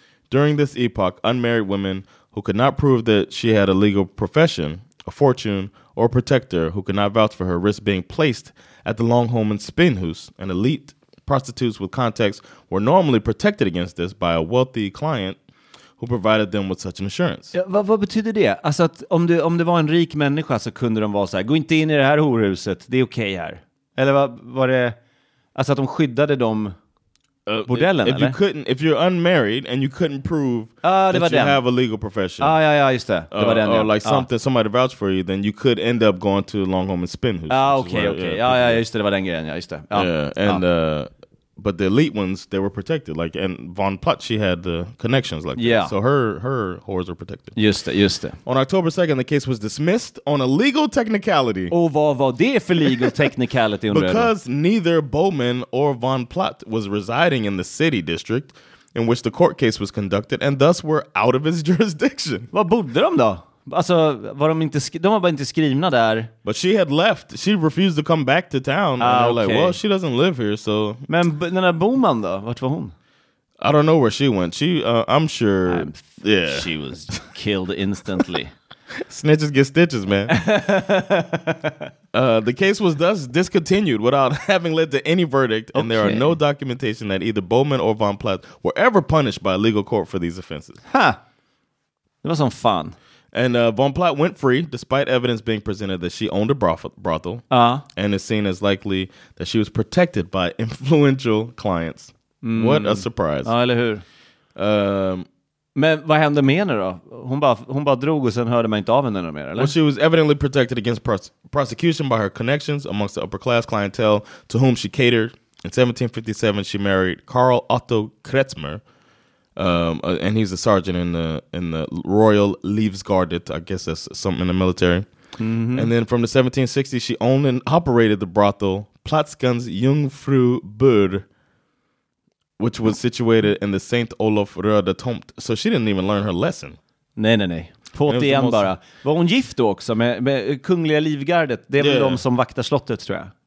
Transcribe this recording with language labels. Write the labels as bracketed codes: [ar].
[en] During this epoch, unmarried women who could not prove that she had a legal profession, a fortune, or a protector who could not vouch for her risk being placed at the Longholmen Spinhus, an elite prostitutes with contacts were normally protected against this by a wealthy client who provided them with such an assurance. [sv] Ja, vad betyder det? Alltså att om det var en rik människa så kunde de vara så här, gå inte in i det här horhuset, det är okej här. Eller var det, alltså att de skyddade de bordellen, [en] if [sv] eller? [en] You couldn't, if you're unmarried and you couldn't prove that you [sv] den. [en] Have a legal profession. [sv] Ah, ja, just det. Det var den. [en] Or like something, somebody vouched for you, then you could end up going to Longholmen Spinhus. [sv] Okay. Ja, just det, det var den grejen, ja, just det. [en] But the elite ones, they were protected. Like, and Von Platt, she had the connections like yeah. that. So her whores were protected. [sv] Just det. [en] On October 2nd, the case was dismissed on a legal technicality. [sv] Och vad var det för legal technicality? [en] Because neither Bowman or Von Platt was residing in the city district in which the court case was conducted and thus were out of his jurisdiction. [sv] Vad bodde de då? Alltså, var de var bara inte skrivna där. [en] But she had left. She refused to come back to town. Ah, and they're okay. Like, well, she doesn't live here, so. [sv] Men den där Boman då, vart var hon? [en] I don't know where she went. I'm sure. She was killed instantly. Snitches get stitches, man. The case was thus discontinued without having led to any verdict, and there are no documentation that either Bowman or Von Platt were ever punished by a legal court for these offenses. [sv] Det var som fan. [en] And Von Platt went free, despite evidence being presented that she owned a brothel, and is seen as likely that she was protected by influential clients. Mm. What a surprise. [sv] Ja, eller hur? Men vad hände med henne då? Hon bara drog och sen hörde man inte av henne mer, eller? [en] Well, she was evidently protected against prosecution by her connections amongst the upper-class clientele to whom she catered. In 1757, she married Carl Otto Kretzmer. And he's a sergeant in the Royal Livgardet. I guess that's something in the military. Mm-hmm. And then from the 1760s, she owned and operated the brothel Platskans Jungfru Bur, which was situated in the St. Olof Röda Tomt. So she didn't even learn her lesson. [sv] Nej. På det igen bara. Var hon gift då också med Kungliga Livgardet? Det är väl de som vaktar slottet, tror jag.